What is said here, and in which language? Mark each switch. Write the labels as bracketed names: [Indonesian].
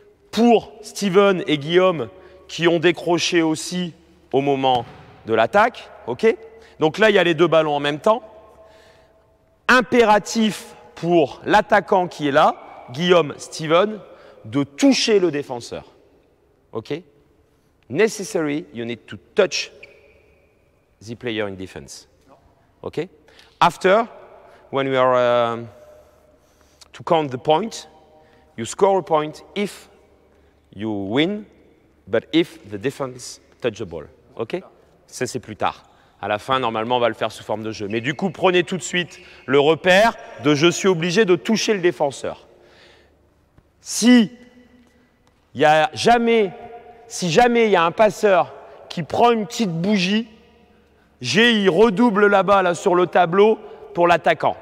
[French] Pour Steven et Guillaume qui ont décroché aussi au moment de l'attaque, ok? Donc là, il y a les deux ballons en même temps. Impératif pour l'attaquant qui est là, Guillaume, Steven, de toucher le défenseur, ok? [English] Necessary, you need to touch the player in defense. Ok. After, when we are to count the point, you score a point if you win, but if the defense touch the ball. [French] OK? Ça, c'est plus tard. À la fin, normalement, on va le faire sous forme de jeu. Mais du coup, prenez tout de suite le repère de je suis obligé de toucher le défenseur. Si il y a jamais, si jamais il y a un passeur qui prend une petite bougie, il redouble là-bas, là, sur le tableau pour l'attaquant.